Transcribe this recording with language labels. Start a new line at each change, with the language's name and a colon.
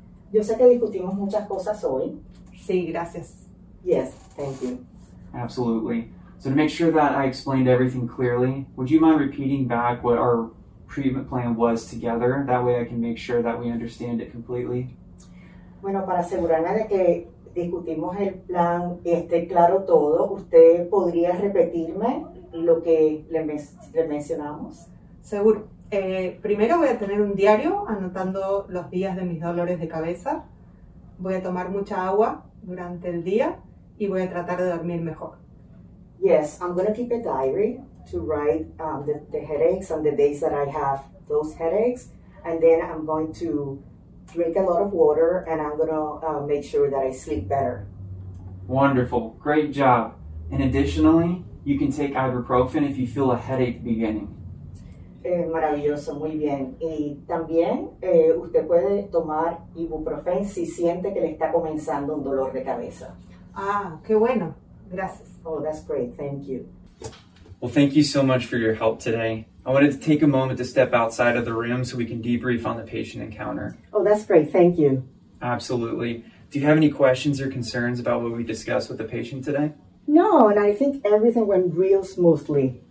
Spanish: Yo sé que discutimos muchas cosas hoy. Sí, gracias.
English: Yes, thank you. Absolutely. So to make sure that I explained everything clearly, would you mind repeating back what our treatment plan was together? That way I can make sure that we understand it completely.
Spanish: Bueno, para asegurarme de que discutimos el plan y esté claro todo, ¿usted podría repetirme lo que le mencionamos? Seguro. Primero voy a tener un diario anotando los días de mis dolores de cabeza. Voy a tomar mucha agua durante el día y voy a tratar de dormir mejor.
English: Yes, I'm going to keep a diary to write the headaches on the days that I have those headaches. And then I'm going to drink a lot of water and I'm going to make sure that I sleep better. Wonderful. Great job. And additionally, you can take ibuprofen if you feel a headache beginning.
Spanish: Maravilloso, muy bien. Y también usted puede tomar ibuprofen si siente que le está comenzando un dolor de cabeza. Ah, qué bueno. Gracias.
English: Oh, that's great. Thank you. Well, thank you so much for your help today. I wanted to take a moment to step outside of the room so we can debrief on the patient encounter. Oh, that's great. Thank you. Absolutely. Do you have any questions or concerns about what we discussed with the patient today? No, and I think everything went real smoothly.